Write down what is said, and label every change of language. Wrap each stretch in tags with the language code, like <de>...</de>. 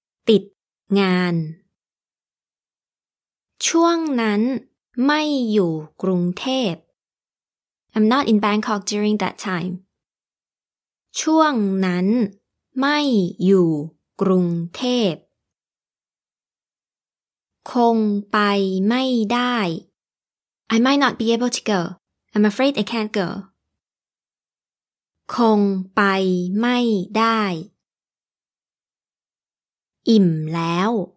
<th>ติดงานช่วงนั้นไม่อยู่กรุงเทพ</th> <en>I'm not in Bangkok during that time.</en> <th>ช่วงนั้นไม่อยู่กรุงเทพคงไปไม่ได้</th> <en>I might not be able to go. I'm afraid I can't go.</en> <th>คงไปไม่ได้อิ่มแล้ว</th>